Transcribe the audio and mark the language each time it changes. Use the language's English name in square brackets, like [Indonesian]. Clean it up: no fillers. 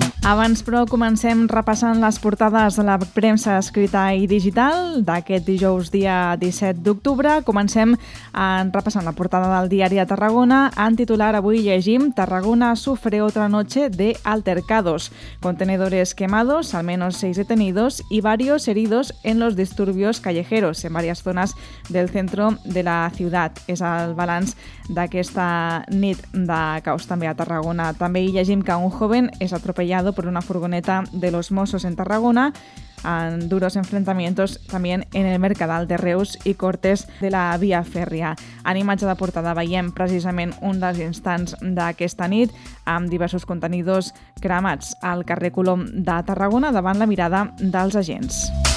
[Catalan] Abans, però, comencem repassant les portades de la premsa escrita i digital d'aquest dijous, dia 17 d'octubre. Comencem repassant la portada del diari de Tarragona. En titular, avui llegim: [Spanish] Tarragona sufre otra noche de altercados. Contenedores quemados, al menos 6 detenidos y varios heridos en los disturbios callejeros en varias zonas del centro de la ciudad. [Catalan] És el balanç d'aquesta nit de caos també a Tarragona. També hi llegim que un [Spanish] joven és atropellado por una furgoneta de los Mossos en Tarragona, en duros enfrentamientos también en el Mercadal de Reus y cortes de la Via Fèrria. [Catalan] En imatge de portada veiem precisament un dels instants d'aquesta nit amb diversos contenidors cremats al carrer Colom de Tarragona davant la mirada dels agents.